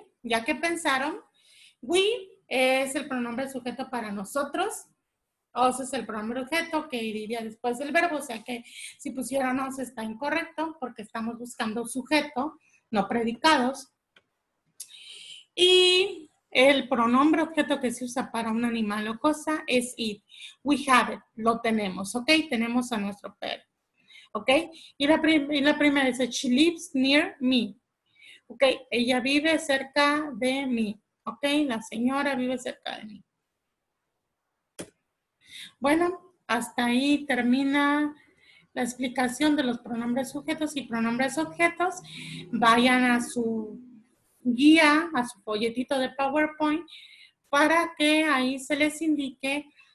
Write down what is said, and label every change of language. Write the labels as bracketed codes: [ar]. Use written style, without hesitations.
[es] Ya que pensaron, we es el pronombre sujeto para nosotros, us es el pronombre objeto que iría después del verbo, o sea que si pusieran us está incorrecto porque estamos buscando sujeto, no predicados. Y el pronombre objeto que se usa para un animal o cosa es it. [en] We have it, [es] lo tenemos, ¿ok? Tenemos a nuestro perro. ¿Ok? Y la primera dice, [en] she lives near me. [es] ¿Ok? Ella vive cerca de mí. ¿Ok? La señora vive cerca de mí. Bueno, hasta ahí termina la explicación de los pronombres sujetos y pronombres objetos. Vayan a su guía, a su folletito de PowerPoint, para que ahí se les indique